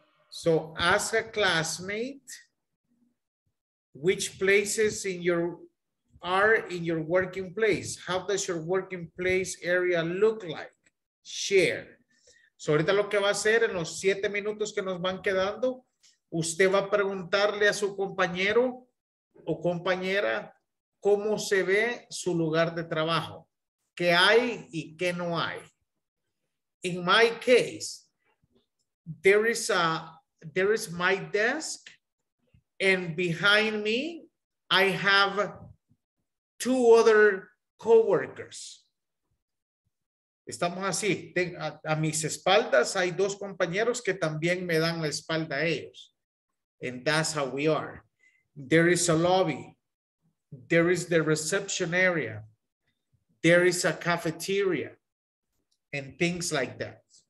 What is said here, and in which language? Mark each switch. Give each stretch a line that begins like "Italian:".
English: So as a classmate, which places in your are in your working place? How does your working place area look like? Share.
Spanish: So ahorita lo que va a hacer en los 7 minutos que nos van quedando, usted va a preguntarle a su compañero o compañera cómo se ve su lugar de trabajo. ¿Qué hay y qué no hay?
English: In my case, there is my desk, and behind me, I have 2 other coworkers.
Spanish: Estamos así. A mis espaldas hay 2 compañeros que también me dan la espalda a ellos.
English: And that's how we are. There is a lobby. There is the reception area. There is a cafeteria. And things like that.